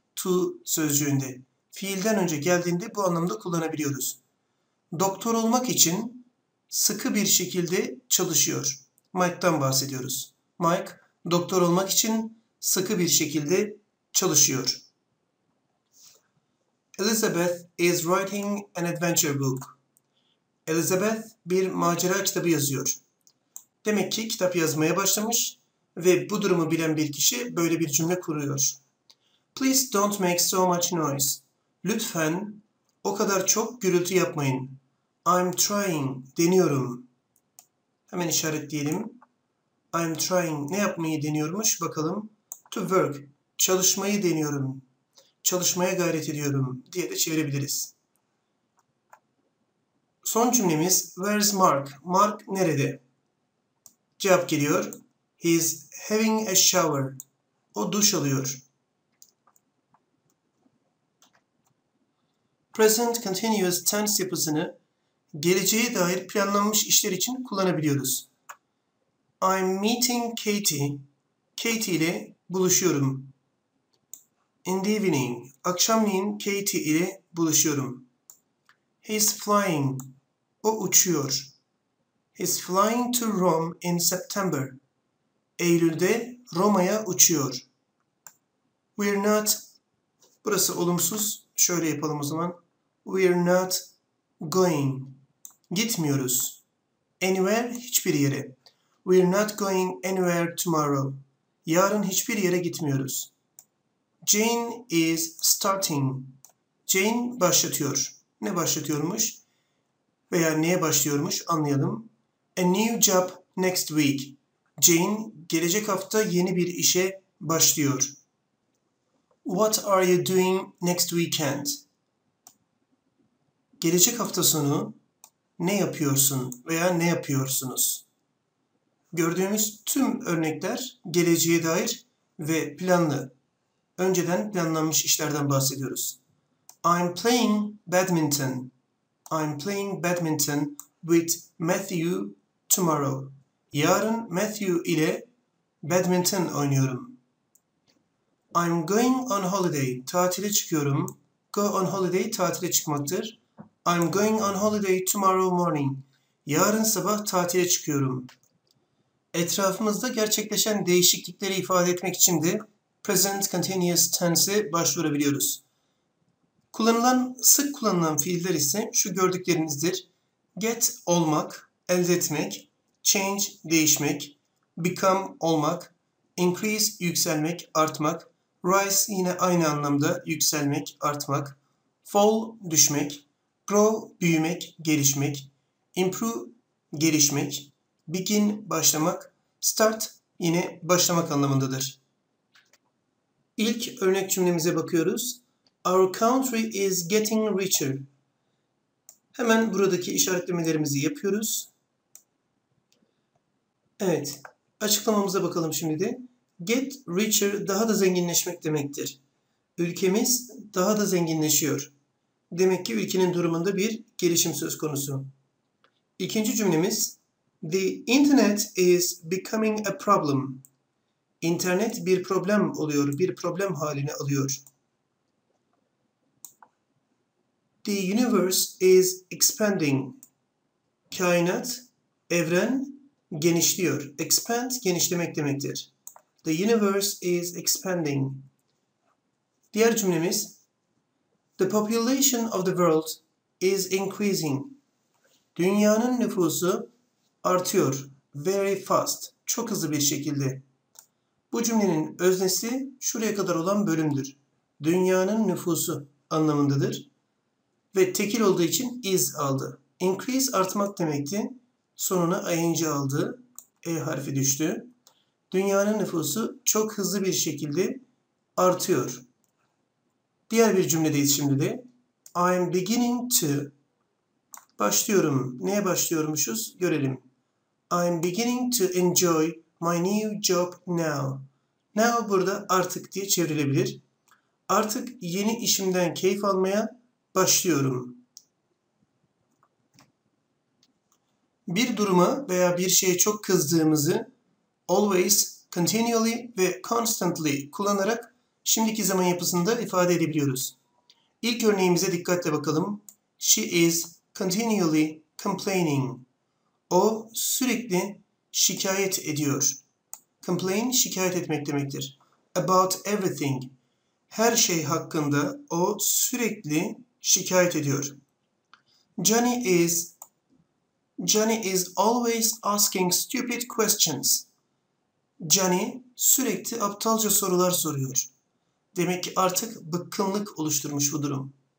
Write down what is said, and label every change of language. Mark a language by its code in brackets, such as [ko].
[tr] To sözcüğünde. Fiilden önce geldiğinde bu anlamda kullanabiliyoruz. Doktor olmak için sıkı bir şekilde çalışıyor. Mike'tan bahsediyoruz. Mike doktor olmak için sıkı bir şekilde çalışıyor. [en] Elizabeth is writing an adventure book. [tr] Elizabeth bir macera kitabı yazıyor. Demek ki kitap yazmaya başlamış ve bu durumu bilen bir kişi böyle bir cümle kuruyor. [en] Please don't make so much noise. [tr] Lütfen o kadar çok gürültü yapmayın. [en] I'm trying, [tr] deniyorum. Hemen işaretleyelim. [en] I'm trying, [tr] ne yapmayı deniyormuş bakalım. [en] To work, [tr] çalışmayı deniyorum. Çalışmaya gayret ediyorum diye de çevirebiliriz. Son cümlemiz, [en] where's Mark? [tr] Mark nerede? Cevap geliyor, [en] he's having a shower. [tr] O duş alıyor. Present continuous tense yapısını geleceğe dair planlanmış işler için kullanabiliyoruz. [en] I'm meeting Katie. [tr] Katie ile buluşuyorum. [en] In the evening, [tr] akşamleyin Katie ile buluşuyorum. [en] He's flying. [tr] O uçuyor. [en] He's flying to Rome in September. [tr] Eylül'de Roma'ya uçuyor. [en] We're not. [tr] Burası olumsuz. Şöyle yapalım o zaman. [en] We're not going. [tr] Gitmiyoruz. [en] Anywhere, [tr] hiçbir yere. [en] We're not going anywhere tomorrow. [tr] Yarın hiçbir yere gitmiyoruz. [en] Jane is starting. [tr] Jane başlatıyor. Ne başlatıyormuş? Veya neye başlıyormuş anlayalım. [en] A new job next week. [tr] Jane gelecek hafta yeni bir işe başlıyor. [en] What are you doing next weekend? [tr] Gelecek hafta sonu ne yapıyorsun veya ne yapıyorsunuz? Gördüğümüz tüm örnekler geleceğe dair ve planlı. Önceden planlanmış işlerden bahsediyoruz. [en] I'm playing badminton. I'm playing badminton with Matthew tomorrow. [tr] Yarın Matthew ile badminton oynuyorum. [en] I'm going on holiday. [tr] Tatile çıkıyorum. [en] Go on holiday [tr] tatile çıkmaktır. [en] I'm going on holiday tomorrow morning. [tr] Yarın sabah tatile çıkıyorum. Etrafımızda gerçekleşen değişiklikleri ifade etmek için de present continuous tense'e başvurabiliyoruz. Sık kullanılan fiiller ise şu gördüklerinizdir. Get olmak, elde etmek, change değişmek, become olmak, increase yükselmek, artmak, rise yine aynı anlamda yükselmek, artmak, fall düşmek, grow büyümek, gelişmek, improve gelişmek, begin başlamak, start yine başlamak anlamındadır. İlk örnek cümlemize bakıyoruz. [en] Our country is getting richer. [tr] Hemen buradaki işaretlemelerimizi yapıyoruz. Evet, açıklamamıza bakalım şimdi de. [en] Get richer [tr] daha da zenginleşmek demektir. Ülkemiz daha da zenginleşiyor. Demek ki ülkenin durumunda bir gelişim söz konusu. İkinci cümlemiz. [en] The internet is becoming a problem. [tr] İnternet bir problem oluyor, bir problem halini alıyor. [en] The universe is expanding. [tr] Kainat, evren genişliyor. Expand, genişlemek demektir. [en] The universe is expanding. [tr] Diğer cümlemiz. [en] The population of the world is increasing. [tr] Dünyanın nüfusu artıyor. [en] Very fast. [tr] Çok hızlı bir şekilde. Bu cümlenin öznesi şuraya kadar olan bölümdür. Dünyanın nüfusu anlamındadır. Ve tekil olduğu için is aldı. Increase artmak demekti. Sonuna ing aldı. E harfi düştü. Dünyanın nüfusu çok hızlı bir şekilde artıyor. Diğer bir cümledeyiz şimdi de. [en] I'm beginning to. [tr] Başlıyorum. Neye başlıyormuşuz? Görelim. [en] I'm beginning to enjoy my new job now. [tr] Now burada artık diye çevrilebilir. Artık yeni işimden keyif almaya başlıyorum. Bir duruma veya bir şeye çok kızdığımızı always, continually ve constantly kullanarak şimdiki zaman yapısında ifade edebiliyoruz. İlk örneğimize dikkatle bakalım. [en] She is continually complaining. [tr] O sürekli şikayet ediyor. Complain, şikayet etmek demektir. [en] About everything. [tr] Her şey hakkında o sürekli şikayet ediyor. [en] Johnny is always asking stupid questions. [tr] Johnny sürekli aptalca sorular soruyor. Demek ki artık bıkkınlık oluşturmuş bu durum.